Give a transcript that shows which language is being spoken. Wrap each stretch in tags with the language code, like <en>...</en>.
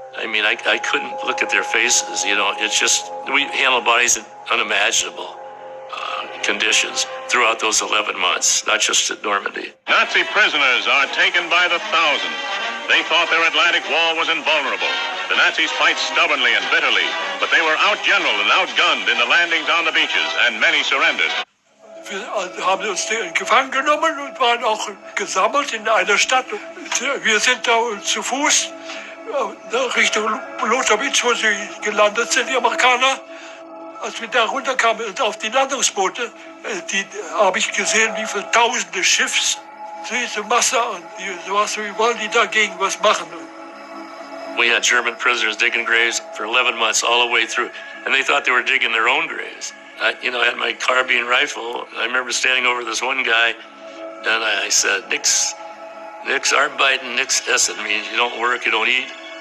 <en>I mean, I couldn't look at their faces, you know. It's just, we handle bodies in unimaginable conditions throughout those 11 months, not just at Normandy. Nazi prisoners are taken by the thousands. They thought their Atlantic wall was invulnerable. The Nazis fight stubbornly and bitterly, but they were outgeneraled and outgunned in the landings on the beaches, and many surrendered.</en> <de>Wir haben uns gefangen genommen und waren auch gesammelt in einer Stadt. Wir sind da zu Fuß Richtung Lutowitz, wo sie gelandet sind, die Amerikaner. Als wir da runterkamen und auf die Landungsboote, die habe ich gesehen, wie viele tausende Schiffs, diese Masse und sowas, wie wollen die dagegen was machen?</de> <en>We had German prisoners digging graves for 11 months all the way through, and they thought they were digging their own graves. I had my carbine rifle. I remember standing over this one guy, and I said,</en> <de>Nix Arbeiten, Nix Essen,</de> <en>means you don't work, you don't eat.</en>